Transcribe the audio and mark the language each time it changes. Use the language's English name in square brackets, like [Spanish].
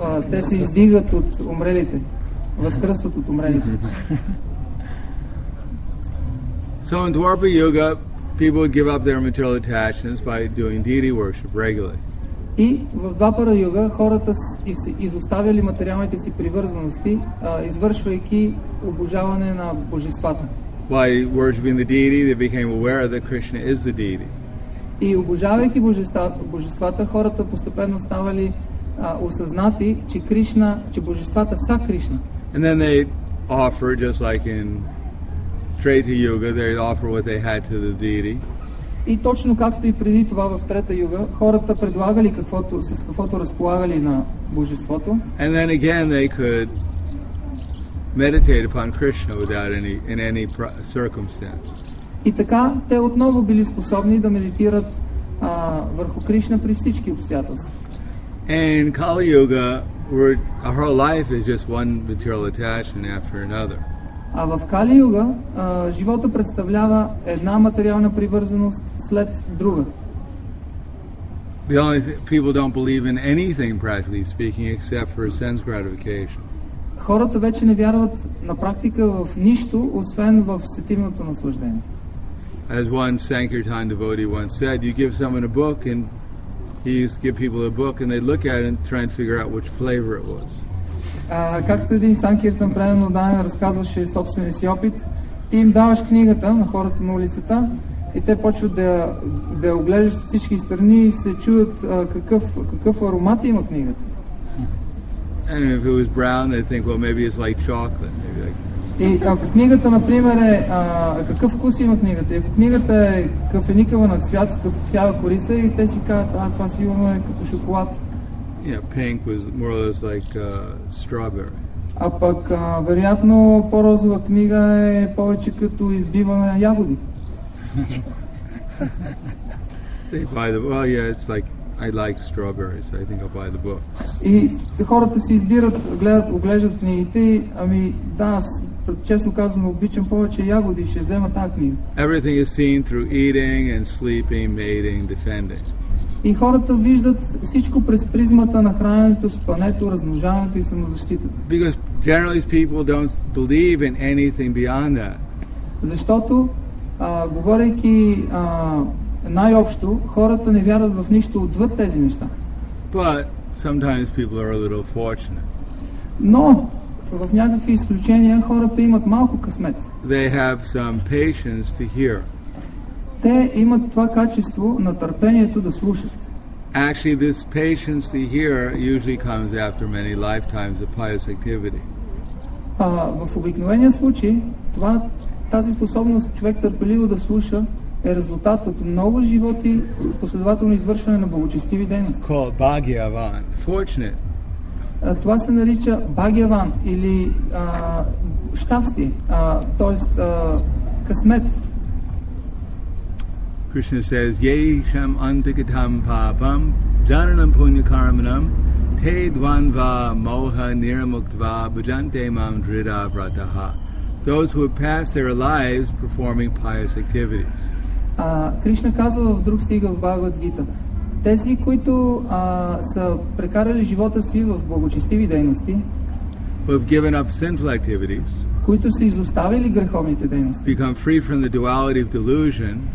[Bulgarian] Те се издигат от умрелите. Възкръсват от умрелите. [English] So in Dwarpa Yuga, people would give up their material attachments by doing deity worship regularly. [Bulgarian] И в Двапара Юга хората изоставяли материалните си привързаности, извършвайки обожаване на божествата. [English] By worshiping the deity, they became aware that Krishna is the deity. [Bulgarian] И обожавайки божествата, хората постепенно ставали осъзнати, че Кришна, че божествата са Кришна. [English] And then they offer, just like in Treta Yuga, they offer what they had to the deity. [Bulgarian] И точно както и преди това в Трета Юга, хората предлагали каквото, с каквото разполагали на божеството. [English] And then again they could meditate upon Krishna without any, in any circumstance. [Bulgarian] И така те отново били способни да медитират върху Кришна при всички обстоятелства. [English] In Kali Yuga, our life is just one material attachment after another. [Bulgarian] А в Кали Юга живота представлява една материална привързаност след друга. [English] The only people don't believe in anything practically speaking except for sense gratification. [Bulgarian] Хората вече не вярват на практика в нищо освен в сетивното наслаждение. [English] As one Sankirtan devotee once said, you give someone a book and he used to give people a book and they look at it and try and figure out which flavor it was. [Bulgarian] Както един Санкиртан предано дане разказваше собствения си опит, ти им даваш книгата на хората на улицата и те почват да оглеждат всички страни и се чудят какъв аромат има книгата. [English] And if it was brown, they think, well, maybe it's like chocolate. Maybe like [Bulgarian] И ако книгата, например, е... Какъв вкус има книгата? Ако книгата е кафеникава на цвят, кафява корица, и те си казват, а това сигурно е като шоколад. [English] Yeah, pink was more or less like strawberry. [Bulgarian] А пък, вероятно, по-розова книга е повече като избиване на ягоди. [English] They buy the... Well, yeah, it's like, I like strawberries, I think I'll buy the book. [Bulgarian] И хората си избират, гледат, оглеждат книгите, ами да, аз, честно казвам, обичам повече ягоди, ще взема тази книга. [English] Everything is seen through eating and sleeping, mating, defending. [Bulgarian] И хората виждат всичко през призмата на храненето, спането, размножаването и самозащитата. [English] Because generally people don't believe in anything beyond that. [Bulgarian] Защото, говорейки най-общо, хората не вярват в нищо отвъд тези неща. [English] But sometimes people are a little fortunate. [Bulgarian] Но в някакви изключения хората имат малко късмет. [English] They have some patience to hear. [Bulgarian] Те имат това качество на търпението да слушат. [English] Actually, this patience to hear usually comes after many lifetimes of pious activity. [Bulgarian] В обикновения случай, това, тази способност човек търпеливо да слуша е резултат от много животи последователно извършване на благочестиви дейности. [English] Called Bhagyavan, fortunate. [Bulgarian] Това се нарича Bhagyavan или щастие, тоест късмет. [English] Krishna says, [Sanskrit] Yesham antikitam papam jananam punyakarmanam te dvanva moha niramuktva bhajante mam dhrida vrataha. [English] Those who have passed their lives performing pious activities. [Bulgarian] Krishna казва в друг стига в Бхагавад Гита, тези, които са прекарали живота си в благочестиви дейности, [English] who have given up sinful activities, [Bulgarian] които са изоставили греховните дейности, [English] become free from the duality of delusion,